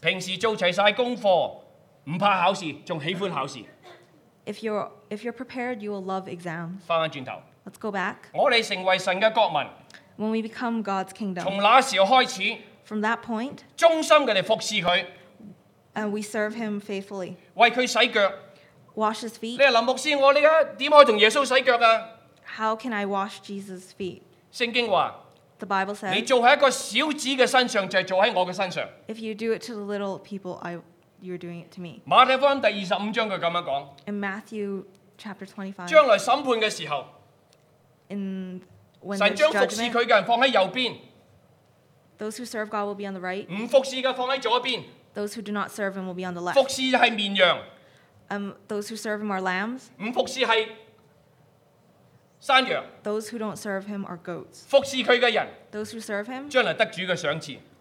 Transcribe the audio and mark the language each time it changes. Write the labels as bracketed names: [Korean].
[Cantonese] 平時做齊曬功課，唔怕考試，仲喜歡考試。 [English] If you're prepared, you will love exams. [Cantonese] 翻翻轉頭。 [English] Let's go back. [Cantonese] 我哋成為神嘅國民。 [English] When we become God's kingdom. [Cantonese] 從那時候開始。 [English] From that point. [Cantonese] 忠心嘅嚟服侍佢。 [English] And we serve him faithfully. [Cantonese] 為佢洗腳。 [English] Wash his feet. [Cantonese] 你話林牧師，我呢家點可以同耶穌洗腳啊 [English] ？How can I wash Jesus' feet? [Cantonese] 聖經話。 [English] The Bible says. [Cantonese] 你做喺一個小子嘅身上，就係做喺我嘅身上。 [English] If you do it to the little people, You're doing it to me. [Cantonese] 馬太福音第二十五章佢咁樣講。 [English] In Matthew chapter 25. [Cantonese] 將來審判嘅時候。 [English] In when [Cantonese] 神將服侍佢嘅人放喺右邊。 [English] Those who serve God will be on the right. [Cantonese] 唔服侍嘅放喺左邊。 [English] Those who do not serve Him will be on the left. [Cantonese] 服侍係綿羊。 [English] Those who serve Him are lambs. [Cantonese] 唔服侍係山羊。 [English] Those who don't serve Him are goats. [Cantonese] 服侍佢嘅人。 [English] Those who serve Him. [Cantonese] 將來得主嘅賞賜。